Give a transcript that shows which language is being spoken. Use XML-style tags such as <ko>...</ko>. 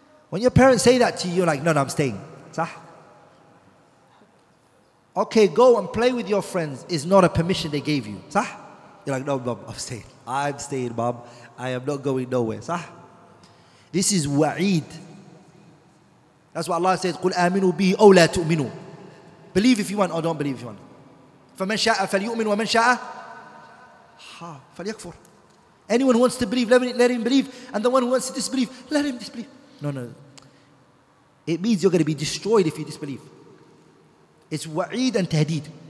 <en>When your parents say that to you, you're like, no, I'm staying. Sah? Okay, go and play with your friends is not a permission they gave you. Sah? You're like, no, Bob, I'm staying, Bob. I am not going nowhere. Sah? This is wa'id. That's what Allah says,</en> <ar>قُلْ آمِنُوا بِهِ أَوْ لَا تُؤْمِنُوا.</ar> <en>Believe if you want or don't believe if you want.</en> <ar>فَمَنْ شَاءَ فَلْيُؤْمِنُ وَمَنْ شَاءَ فَلْيَكْفُرْ.</ar> <en>Anyone who wants to believe, let him believe. And the one who wants to disbelieve, let him disbelieve. No. It means you're going to be destroyed if you disbelieve. It's wa'id and tahdeed.</en>